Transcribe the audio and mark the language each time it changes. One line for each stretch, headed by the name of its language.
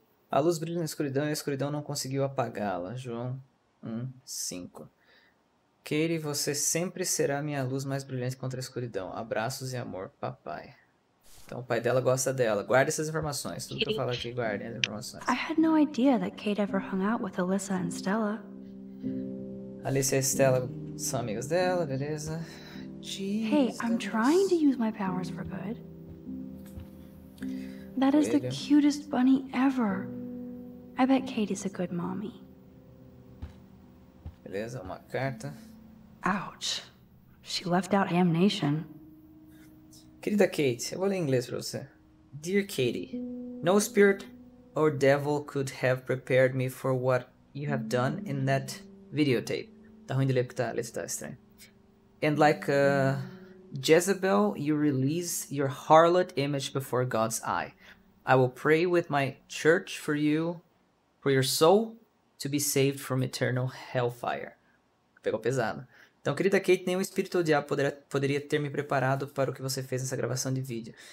Portuguese: A luz brilha na escuridão e a escuridão não conseguiu apagá-la. João 1, 5. Kate, você sempre será a minha luz mais brilhante contra a escuridão. Abraços e amor, papai. Então o pai dela gosta dela. Guarde essas informações. Tudo que eu falo aqui, guarde as informações.
English: I had no idea that Kate ever hung out with Alyssa and Stella.
Portuguese: Alyssa e Stella são amigas dela, beleza. Jesus.
English: Hey, I'm trying to use my powers for good. That is the cutest bunny ever. I bet Kate is a good mommy.
Portuguese: Beleza, uma carta.
English: Ouch. She left out Amnation.
Portuguese: Querida Kate, eu vou ler em inglês pra você.
English: Dear Katie, no spirit or devil could have prepared me for what you have done in that videotape.
Portuguese: Tá ruim de ler porque tá, a letra tá estranha.
English: And like Jezebel, you release your harlot image before God's eye. I will pray with my church for you, for your soul, to be saved from eternal hellfire.
Portuguese: Pegou pesado. Então, querida Kate, nenhum espírito ou diabo poderia ter me preparado para o que você fez nessa gravação de vídeo.